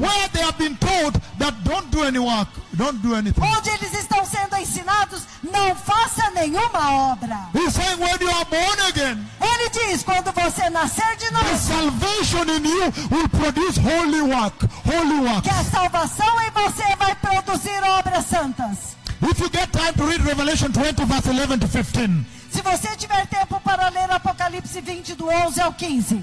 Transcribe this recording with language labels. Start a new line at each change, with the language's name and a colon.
English: Where they have been taught that don't do any work, don't do anything.
Portuguese: Onde eles estão sendo ensinados, não faça nenhuma obra.
English: He's saying when you are born again.
Portuguese: Ele diz quando você nascer de novo.
English: The salvation in you will produce holy work, holy works.
Portuguese: Que a salvação em você vai produzir obras santas.
English: If you get time to read Revelation 20 verse 11 to 15.
Portuguese: Se você tiver tempo para ler Apocalipse 20, do 11 ao 15.